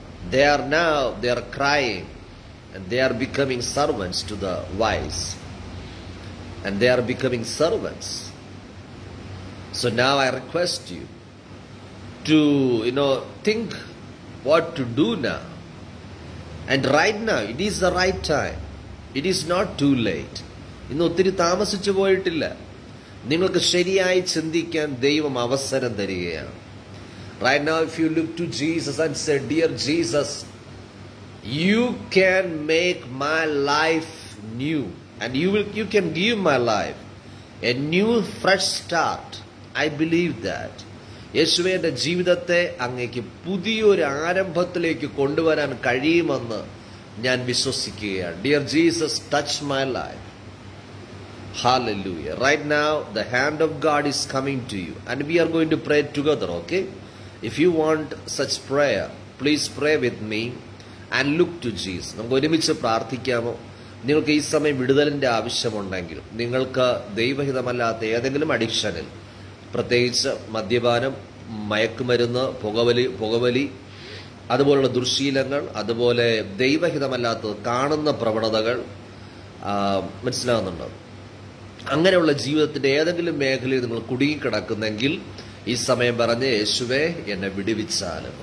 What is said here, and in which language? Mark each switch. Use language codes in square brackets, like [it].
[en] they are crying, and they are becoming servants to the wise, and they are becoming servants. So now I request you to, you know, think what to do now. And right now, it is the right time. It is not too late. [ml] ഇന്ന് ഒത്തിരി താമസിച്ചു പോയിട്ടില്ല. നിങ്ങൾക്ക് ശരിയായി ചിന്തിക്കാൻ ദൈവം അവസരം തരികയാണ്. [en] Right now, if you look to Jesus and say, Dear Jesus, you can make my life new. And you can give my life a new fresh start. I believe that [ml] യേശുവേന്റെ ജീവിതത്തെ അങ്ങേക്ക് പുതിയൊരു ആരംഭത്തിലേക്ക് കൊണ്ടുവരാൻ കഴിയുമെന്ന് ഞാൻ വിശ്വസിക്കുകയാണ്. [en] Dear Jesus, touch my life. Hallelujah. Right now, the hand of God is coming to you. And we are going to pray together, okay? If you want such prayer, please pray with me and look to Jesus. [ml] നമുക്ക് ഒരുമിച്ച് പ്രാർത്ഥിക്കാമോ? നിങ്ങൾക്ക് ഈ സമയം വിടുതലിൻ്റെ ആവശ്യമുണ്ടെങ്കിലും, നിങ്ങൾക്ക് ദൈവഹിതമല്ലാത്ത ഏതെങ്കിലും അഡിക്ഷനിൽ, പ്രത്യേകിച്ച് മദ്യപാനം, മയക്കുമരുന്ന്, പുകവലി, അതുപോലുള്ള ദുർശീലങ്ങൾ, അതുപോലെ ദൈവഹിതമല്ലാത്തത് കാണുന്ന പ്രവണതകൾ, മനസ്സിലാകുന്നുണ്ട്, അങ്ങനെയുള്ള ജീവിതത്തിൻ്റെ ഏതെങ്കിലും മേഖലയിൽ നിങ്ങൾ കുടുങ്ങിക്കിടക്കുന്നെങ്കിൽ ഈ സമയം പറഞ്ഞ് യേശുവേ എന്നെ വിടുവിച്ചാലും.